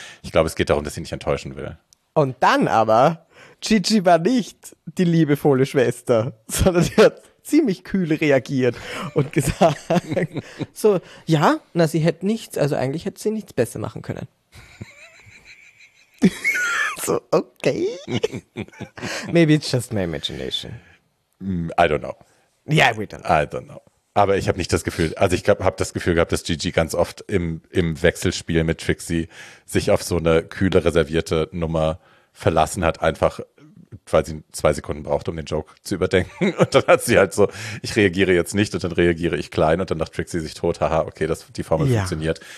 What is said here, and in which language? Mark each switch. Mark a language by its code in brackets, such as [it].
[de] Ich glaube, es geht darum, dass sie nicht enttäuschen will. Und dann aber, Gigi war nicht die liebevolle Schwester, sondern sie hat ziemlich kühl reagiert und gesagt, so, ja, na, sie hätte nichts, also eigentlich hätte sie nichts besser machen können. So, okay. [en] Maybe it's just my imagination. I don't know. Yeah, we don't know. I don't know. [de] Aber ich habe nicht das Gefühl, also ich habe das Gefühl gehabt, dass Gigi ganz oft im Wechselspiel mit Trixie sich auf so eine kühle, reservierte Nummer verlassen hat, einfach weil sie 2 Sekunden braucht, um den Joke zu überdenken. Und dann hat sie halt so, ich reagiere jetzt nicht und dann reagiere ich klein und dann macht Trixie sich tot, haha, okay, das, die Formel funktioniert.